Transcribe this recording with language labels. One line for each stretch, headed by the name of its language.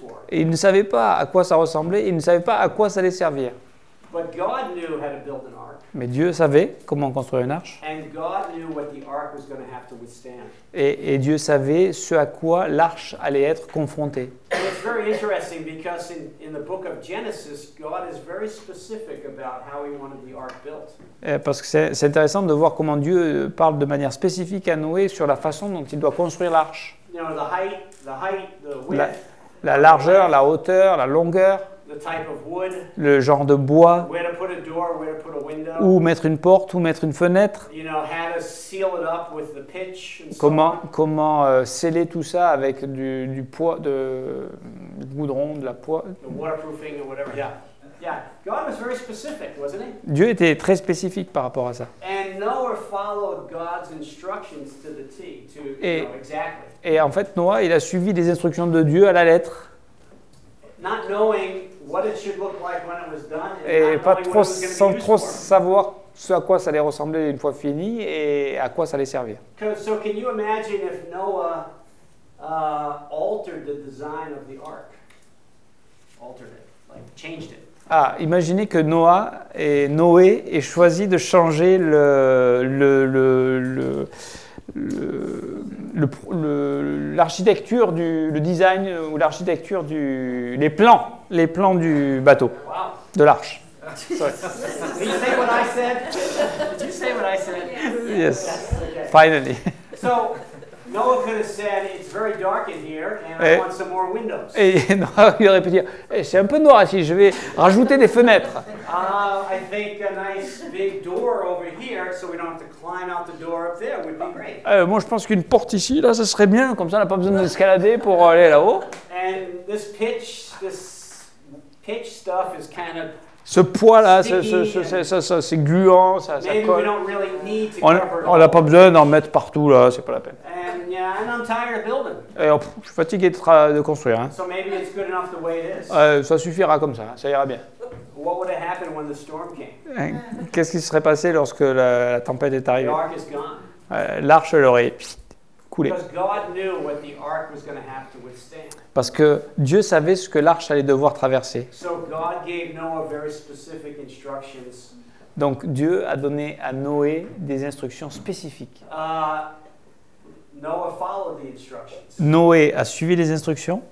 French: Et il ne savait pas à quoi ça ressemblait, il ne savait pas à quoi ça allait servir.
English: But God knew how to build an ark.
French: Mais Dieu savait comment construire une arche.
English: And God knew what the ark was going to have to withstand.
French: Et Dieu savait ce à quoi l'arche allait être confrontée.
English: And it's very interesting because in the book of Genesis, God is very specific about how he wanted the ark built.
French: Parce que c'est intéressant de voir comment Dieu parle de manière spécifique à Noé sur la façon dont il doit construire l'arche.
English: You know, the height, the width.
French: La largeur, la hauteur, la longueur.
English: The type of wood,
French: le genre de bois,
English: where to put a door, where to put a window,
French: où mettre une porte, où mettre une fenêtre,
English: you know, how to seal it up with the pitch and
French: comment,
English: so on.
French: Comment sceller tout ça avec du poids, du goudron, de la poix.
English: The waterproofing or whatever. Yeah. God was very specific, wasn't he?
French: Dieu était très spécifique par rapport à ça.
English: And Noah followed God's instructions to the T, exactly.
French: Et en fait, Noah, il a suivi les instructions de Dieu à la lettre.
English: Not knowing what it should look like when it was done,
French: et pas trop sans trop savoir ce à quoi ça allait ressembler une fois fini et à quoi ça allait servir.
English: So can you imagine if Noah altered the design of the ark? Altered it, like changed it.
French: Imaginez que Noé ait choisi de changer l'architecture du le design ou l'architecture du les plans du bateau.
English: Wow.
French: De l'arche.
English: Sorry. Did you say what I said? Did you say what I said? Yes. Okay. Finally. So Noah could have said it's very dark in here and I want some more windows.
French: Et Noah, il aurait pu dire c'est un peu noir ici, je vais rajouter des fenêtres.
English: I think a nice big door over here so we don't have to climb out the door up there would be great.
French: Moi je pense qu'une porte ici là ça serait bien, comme ça on n'a pas besoin d'escalader pour aller là-haut.
English: And this pitch stuff is kind of
French: ce poids-là, c'est gluant, ça colle.
English: We don't really need to
French: on n'a pas besoin d'en mettre partout, là, c'est pas la peine.
English: And I'm tired of building.
French: Je suis fatigué de construire. Hein.
English: So maybe it's good enough the way it is.
French: Ça suffira comme ça, ça ira bien.
English: What would have happened when the storm came?
French: Qu'est-ce qui serait passé lorsque la tempête est arrivée?
English: The ark is gone.
French: L'arche l'aurait coulé.
English: Because God knew what the ark was going to have to withstand.
French: Parce que Dieu savait ce que l'arche allait devoir traverser.
English: So God gave Noah very specific instructions.
French: Donc Dieu a donné à Noé des instructions spécifiques.
English: Noah followed the instructions.
French: Noé a suivi les instructions.